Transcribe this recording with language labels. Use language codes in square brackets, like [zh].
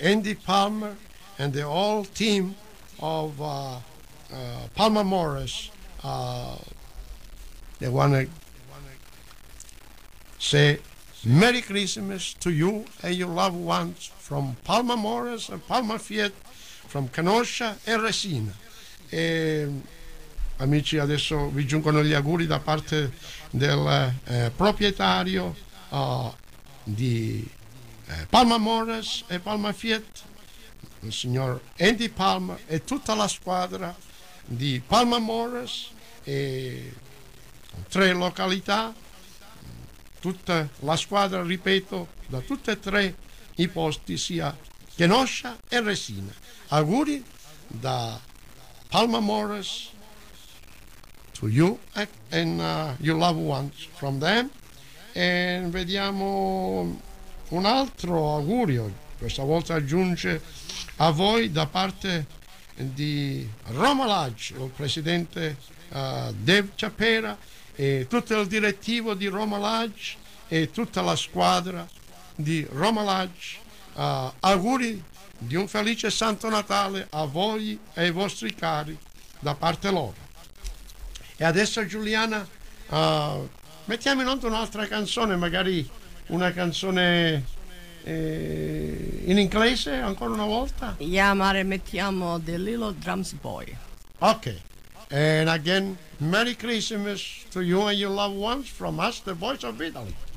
[en] Andy Palmer, and the whole team of Palma Morris, they want to say Merry Christmas to you and your loved ones from Palma Morris and Palma Fiat, from Kenosha e Resina. [it] E, amici, adesso vi giungono gli auguri da parte del proprietario di Palma Morris e Palma Fiat, il signor Andy Palmer, e tutta la squadra di Palma Morris e tre località, tutta la squadra, ripeto, da tutte e tre i posti, sia Kenosha e Resina. Auguri da Palma Morris [en] to you and your loved ones from them. [it] E vediamo un altro augurio, questa volta giunge a voi da parte di Roma Lodge, il presidente Dave Ciappera e tutto il direttivo di Roma Lodge e tutta la squadra di Roma Lodge. Auguri di un felice Santo Natale a voi e ai vostri cari da parte loro. E adesso, Giuliana, mettiamo in onda un'altra canzone, magari una canzone in inglese ancora una volta. Yeah, Mare, mettiamo The Little Drums Boy. [en] Ok, and again Merry Christmas to you and your loved ones from us, the Voice of Italy.